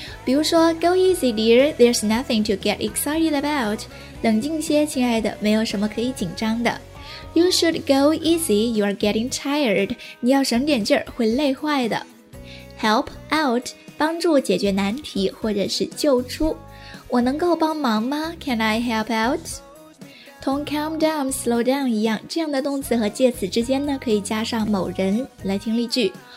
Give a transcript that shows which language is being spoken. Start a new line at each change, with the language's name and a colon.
Chinese: 比如说
English: Go easy, dear, there's nothing to get excited about.
Chinese: 冷静些，亲爱的，没有什么可以紧张的。
English: You should go easy, you are getting tired.
Chinese: 你要省点劲儿，会累坏的。
English: Help out,
Chinese: 帮助解决难题或者是救出。我能够帮忙吗？
English: Can I help out?
Chinese: 同
English: calm down, slow down
Chinese: 一样，这样的动词和介词之间呢，可以加上某人。来听例句。